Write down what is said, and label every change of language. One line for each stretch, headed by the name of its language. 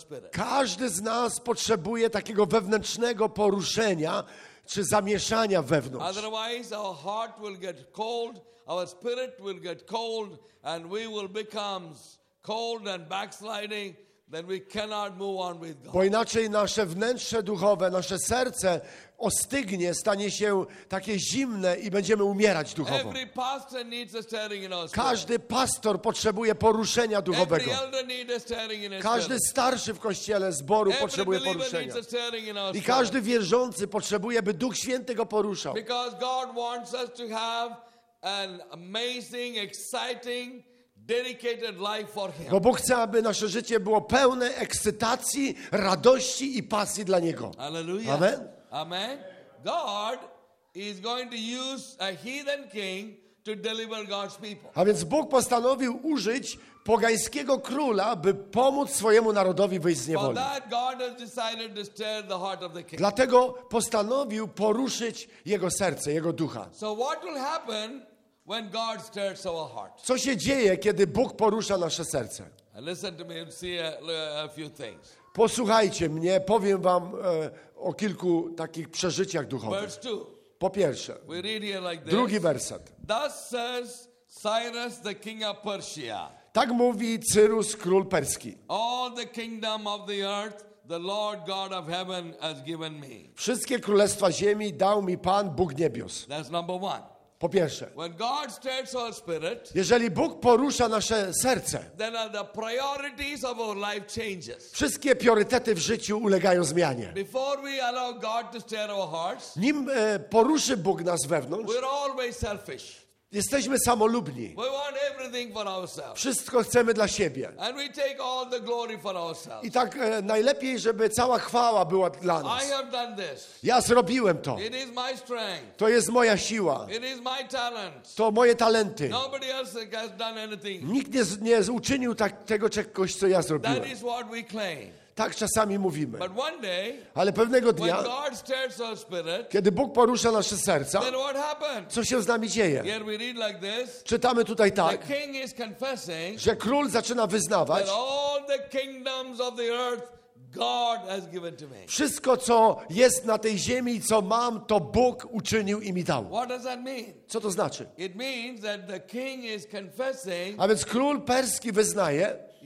Polish: Każdy z nas potrzebuje takiego wewnętrznego poruszenia, czy zamieszania wewnątrz.
English: Otherwise our heart will get cold, our spirit will get cold, and we will become cold and backsliding, then we cannot move on with God.
Polish: Bo inaczej nasze wnętrze duchowe, nasze serce ostygnie, stanie się takie zimne i będziemy umierać duchowo.
English: Every pastor needs a stirring in our spirit.
Polish: Każdy pastor potrzebuje poruszenia duchowego.
English: Every elder needs a stirring in his
Polish: każdy starszy w kościele, zboru
English: every
Polish: potrzebuje poruszenia.
English: Needs a stirring in our spirit.
Polish: I każdy wierzący potrzebuje, by Duch Święty go poruszał.
English: Because God wants us to have an amazing, exciting dedicated life for him.
Polish: Bo Bóg chce, aby nasze życie było pełne ekscytacji, radości i pasji dla Niego.
English: Hallelujah. Amen. Amen. God is going to use a heathen king to deliver God's people.
Polish: A więc Bóg postanowił użyć pogańskiego króla, by pomóc swojemu narodowi wyjść z niewoli.
English: For that God has decided to stir the heart of the king.
Polish: Dlatego postanowił poruszyć jego serce, jego ducha.
English: So what will happen when God stirs our heart?
Polish: Co się dzieje, kiedy Bóg porusza nasze serce?
English: Listen to me and see a few things.
Polish: Posłuchajcie mnie, powiem wam o kilku takich przeżyciach duchowych.
English: Verse two.
Polish: Po pierwsze,
English: we read here like this.
Polish: Drugi werset.
English: Thus says Cyrus, the king of Persia.
Polish: Tak mówi Cyrus, król perski.
English: All the kingdom of the earth the Lord God of heaven has given me.
Polish: Wszystkie królestwa ziemi dał mi Pan Bóg niebios.
English: That's number one.
Polish: Po pierwsze,
English: when God stirs our spirit,
Polish: jeżeli Bóg porusza nasze serce,
English: then the priorities of our life changes.
Polish: Wszystkie priorytety w życiu ulegają zmianie.
English: Before we allow God to stir our hearts,
Polish: nim poruszy Bóg nas wewnątrz,
English: we're always selfish.
Polish: Jesteśmy samolubni.
English: We want everything for ourselves.
Polish: Wszystko chcemy dla siebie.
English: And we take all the glory for ourselves.
Polish: I tak najlepiej, żeby cała chwała była dla nas.
English: I have done this.
Polish: Ja zrobiłem to.
English: It is my strength.
Polish: To jest moja siła.
English: It is my talent.
Polish: To moje talenty.
English: Nobody else has done anything.
Polish: Nikt nie uczynił tak, tego czegoś, co ja zrobiłem.
English: That is what we claim.
Polish: Tak czasami mówimy.
English: But one day,
Polish: ale pewnego dnia,
English: when God stirs our spirit,
Polish: kiedy Bóg porusza nasze serca,
English: then what happened?
Polish: Co się z nami dzieje?
English: Here we read like this,
Polish: czytamy tutaj tak,
English: the king is confessing,
Polish: że król zaczyna wyznawać,
English: that all the kingdoms of the earth God has given to me.
Polish: Wszystko, co jest na tej ziemi, co mam, to Bóg uczynił i mi dał.
English: What does that mean?
Polish: Co to znaczy?
English: It means that the king is confessing,
Polish: a więc król perski wyznaje,